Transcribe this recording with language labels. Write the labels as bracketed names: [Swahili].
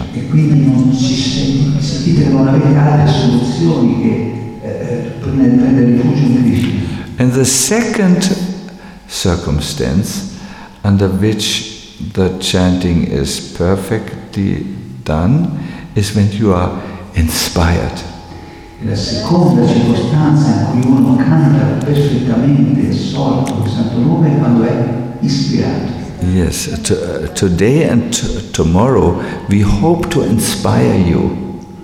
[English] And the second circumstance under which the chanting is perfectly done is when you are inspired. [Italian] La seconda circostanza in cui uno canta perfettamente il solo il Santo Nome è quando è ispirato. [English] Yes, today and tomorrow we hope to inspire you.